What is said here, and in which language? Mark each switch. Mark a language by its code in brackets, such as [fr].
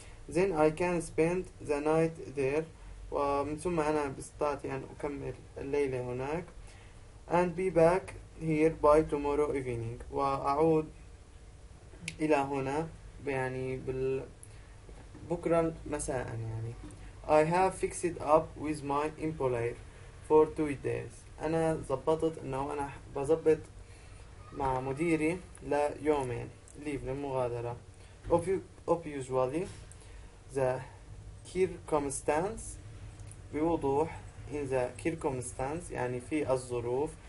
[en] Then I can spend the night there [ar] ومن ثم أنا بستطيع أن أكمل الليلة هناك. [en] And be back here by tomorrow evening [ar] وأعود إلى هنا يعني بكرة مساء يعني. [en] I have fixed up with my employer for 2 days. [ar] أنا ضبطت إنه أنا بضبط مع مديري ليومين ليف للمغادرة. [en] Obviously the circumstance [ar] بوضوح [en] in the circumstance [ar] يعني في الظروف.